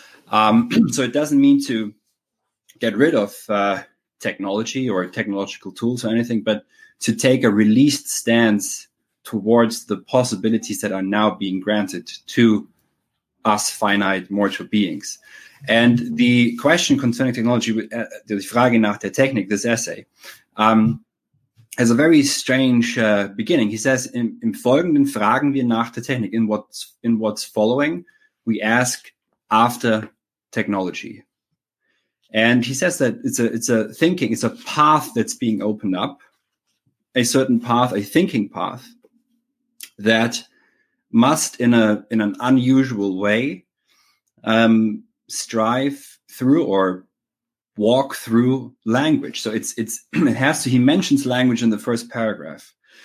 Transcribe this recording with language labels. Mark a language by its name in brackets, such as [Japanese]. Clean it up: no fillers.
[English] So it doesn't mean to get rid of technology or technological tools or anything, but to take a released stance towards the possibilities that are now being granted to us finite mortal beings. And the question concerning technology, the [German] Frage nach der Technik, [English] this essay, has a very strange beginning. He says, [German] im folgenden fragen wir nach der Technik. [English] In what's following, we ask after technology. And he says that it's a path that's being opened up, a certain path, a thinking path, that must in an unusual way strive through or walk through language. So it has to, he mentions language in the first paragraph.